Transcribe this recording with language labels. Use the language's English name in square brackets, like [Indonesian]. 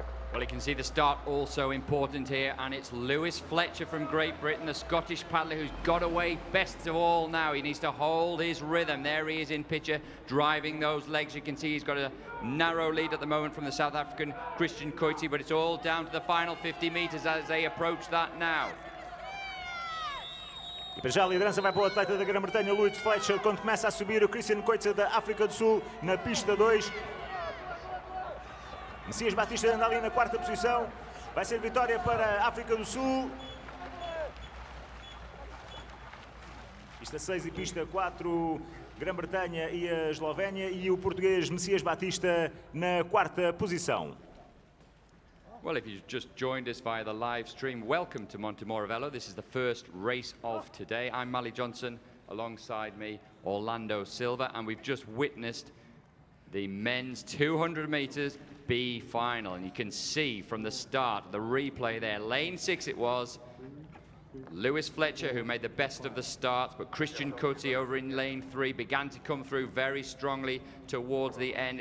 [English] Well, you can see the start also important here, and it's Lewis Fletcher from Great Britain, the Scottish paddler, who's got away best of all now. He needs to hold his rhythm. There he is in picture, driving those legs. You can see he's got a narrow lead at the moment from the South African Christian Coetzee, but it's all down to the final 50 metres as they approach that now. [Portuguese] E para já a liderança vai para o atleta da Grã-Bretanha, Lewis Fletcher, quando começa a subir o Christian Coetzee da África do Sul na pista 2. Messias Batista anda ali na quarta posição. Vai ser vitória para a África do Sul. Pista 6 e pista 4, Grã-Bretanha e a Eslovénia. E o português Messias Batista na quarta posição. [English] Well, if you've just joined us via the live stream, welcome to Montemor-o-Velho. This is the first race of today. I'm Mally Johnson, alongside me, Orlando Silva. And we've just witnessed the men's 200 metres B final, and you can see from the start, the replay there, lane 6 it was, Lewis Fletcher who made the best of the start, but Christian Coetzee over in lane 3 began to come through very strongly towards the end.